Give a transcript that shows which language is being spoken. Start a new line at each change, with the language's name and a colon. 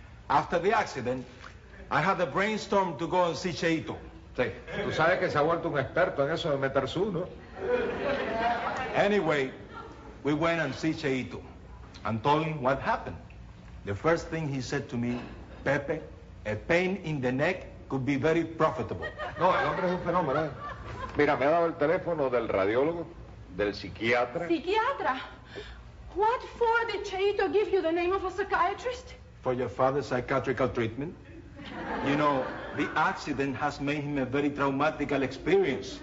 English: After the accident, I had a brainstorm to go and see Cheito.
Spanish: Sí. Tú sabes que se ha vuelto un experto en eso de meter su, ¿no?
English: Anyway, we went and see Cheito and told him what happened. The first thing he said to me, Pepe, a pain in the neck could be very profitable.
Spanish: No, el hombre es un fenómeno. Mira, me ha dado el teléfono del radiólogo, del psiquiatra. ¿Psiquiatra?
English: What for did Cheito give you the name of a psychiatrist? For your father's psychiatrical treatment. You know, the accident has made him a very traumatic experience.